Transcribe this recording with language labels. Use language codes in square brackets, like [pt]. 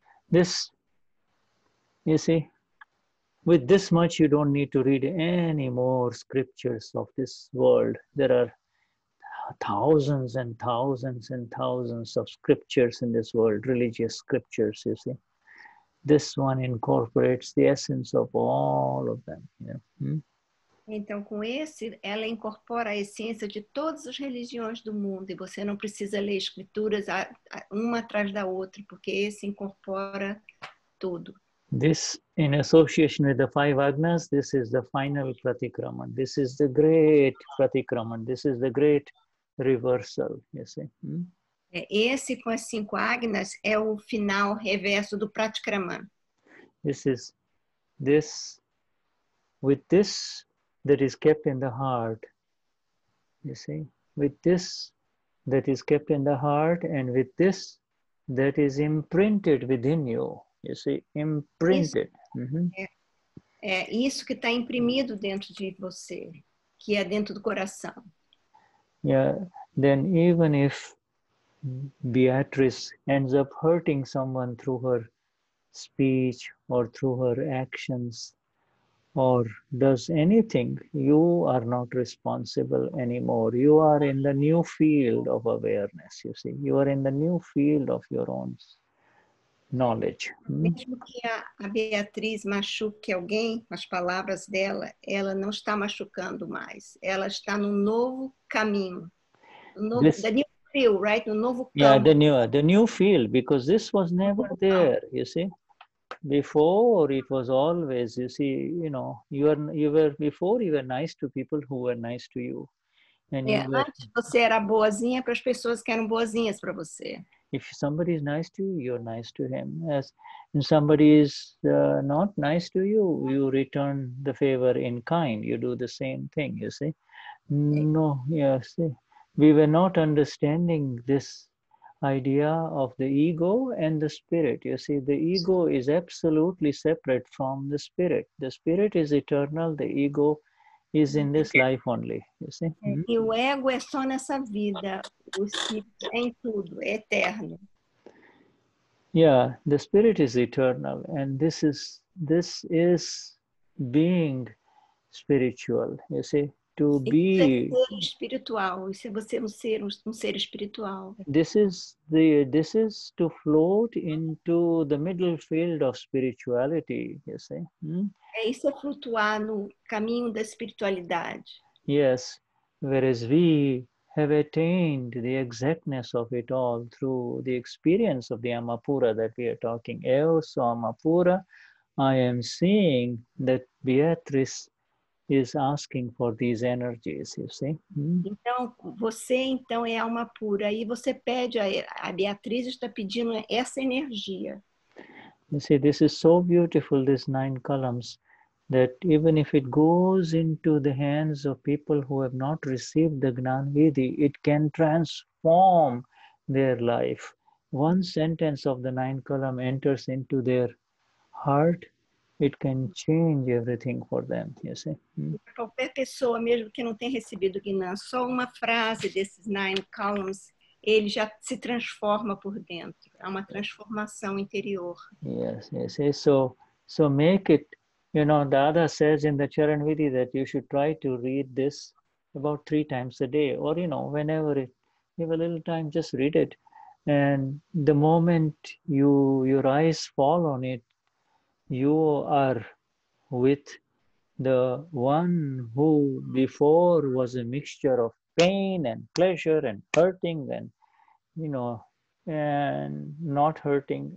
[en] This, you see, with this much you don't need to read any more scriptures of this world. There are thousands and thousands and thousands of scriptures in this world, religious scriptures, you see. This one incorporates the essence of all of them. You know? [pt] Então, com esse, ela incorpora a essência de todas as religiões do mundo e você não precisa ler escrituras uma atrás da outra, porque esse incorpora tudo. [en] This, in association with the five Agnas, this is the final Pratikraman. This is the great Pratikraman. This is the great reversal, you see. [pt] Esse com as cinco Agnas é o final reverso do Pratikraman. [en] This is with this that is kept in the heart, you see, with this that is kept in the heart and with this that is imprinted within you, you see, imprinted. [pt] Isso que está imprimido dentro de você, que é dentro do coração. [en] Yeah, then even if Beatrice ends up hurting someone through her speech or through her actions or does anything, you are not responsible anymore. You are in the new field of awareness, you see. You are in the new field of your own knowledge. [pt] Mesmo que a Beatriz machuque alguém, as palavras dela, ela não está machucando mais. Ela está no novo caminho. [en] The new field, because this was never there, you see. Before it was always, you see, you know, you were nice to people who were nice to you. [pt] Antes você era boazinha para as pessoas que eram boazinhas para você. [en] If somebody is nice to you, you're nice to him. Yes. If somebody is not nice to you, you return the favor in kind. You do the same thing, you see. No, yeah, see. We were not understanding this idea of the ego and the spirit. You see, the ego is absolutely separate from the spirit. The spirit is eternal. The ego is in this life only. You see? [pt] E o ego é só nessa vida. O espírito é em tudo, é eterno. [en] Yeah, the spirit is eternal. And this is being spiritual, you see? To be [pt] espiritual, isso é você um ser espiritual. [en] This is to float into the middle field of spirituality, you see. [pt] É isso, é flutuar no caminho da espiritualidade. [en] Yes, whereas we have attained the exactness of it all through the experience of the Amapura that we are talking. [pt] Eu sou Amapura, [en] I am seeing that Beatrice is asking for these energies, you see. [pt] Então, você então é alma pura e você pede, a Beatriz está pedindo essa energia. [en] You see, this is so beautiful, these nine columns, that even if it goes into the hands of people who have not received the Gnanvidhi, it can transform their life. One sentence of the nine column enters into their heart, it can change everything for them, you see. [pt] Qualquer pessoa, mesmo que não tenha recebido Gnã, só uma frase desses [en] nine columns, [pt] ele já se transforma por dentro. É uma transformação interior. [en] Yes, yes. So make it, you know, Dada says in the Charanvidhi that you should try to read this about 3 times a day, or, you know, whenever you have a little time, just read it. And the moment your eyes fall on it, you are with the one who before was a mixture of pain and pleasure and hurting and, you know, and not hurting.